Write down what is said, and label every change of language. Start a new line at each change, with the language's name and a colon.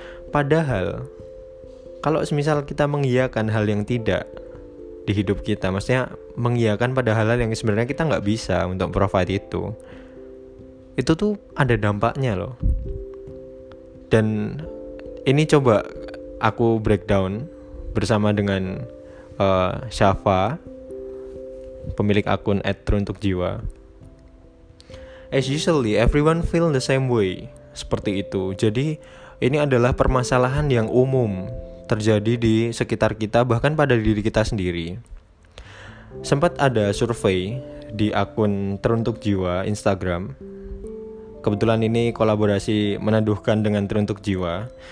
Indonesian: Padahal, kalau semisal kita mengiyakan hal yang tidak di hidup kita, maksudnya mengiyakan pada hal-hal yang sebenarnya kita gak bisa untuk provide itu tuh ada dampaknya loh. Dan ini coba aku breakdown bersama dengan Syafa, pemilik akun @teruntukjiwa.
English: As usually, everyone feel the same way.
Indonesian: Seperti itu. Jadi, ini adalah permasalahan yang umum terjadi di sekitar kita, bahkan pada diri kita sendiri. Sempat ada survei di akun @teruntukjiwa Instagram. Kebetulan ini kolaborasi meneduhkan dengan @teruntukjiwa.